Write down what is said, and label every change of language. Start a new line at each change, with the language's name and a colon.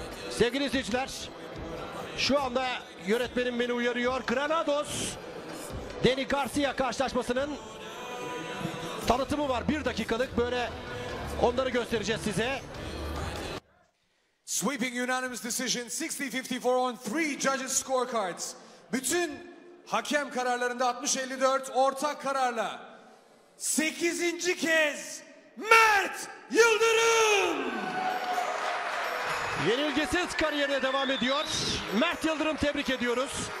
Turkish: Sevgili izleyiciler, şu anda yönetmenim beni uyarıyor. Granados, Deni Garcia karşılaşmasının tanıtımı var. Bir dakikalık böyle onları göstereceğiz size.
English: Sweeping unanimous decision 60-54 on three judges scorecards.
Turkish: Bütün hakem kararlarında 60-54 ortak kararla 8. kez Mert Yıldırım! Yenilgisiz kariyerine devam ediyor. Mert Yıldırım, tebrik ediyoruz.